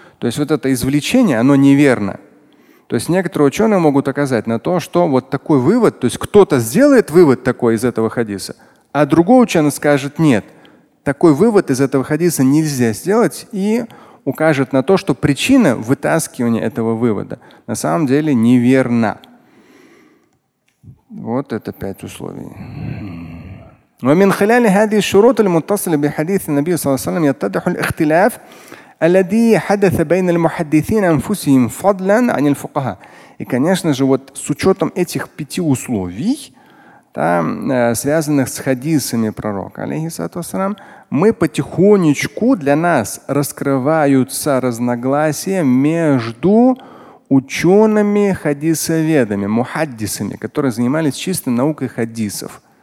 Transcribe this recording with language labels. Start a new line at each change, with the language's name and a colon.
Russian: То есть вот это извлечение, оно неверно. То есть некоторые ученые могут указать на то, что вот такой вывод, то есть кто-то сделает вывод такой из этого хадиса, а другой ученый скажет нет. Такой вывод из этого хадиса нельзя сделать и укажет на то, что причина вытаскивания этого вывода на самом деле неверна. Вот это пять условий.
Arabic: ومن خلال هذه الشروط المتصلة بحديث النبي صلى الله عليه وسلم يتضح الاختلاف الذي حدث بين المحدثين أنفسهم فضلا عن الفقهاء.
Russian: И, конечно же, вот с учетом этих пяти условий, там, связанных с хадисами пророка, алейхиссалату вассалям, мы потихонечку для нас раскрываются разногласия между учеными хадисоведами, мухаддисами, которые занимались чисто наукой хадисов.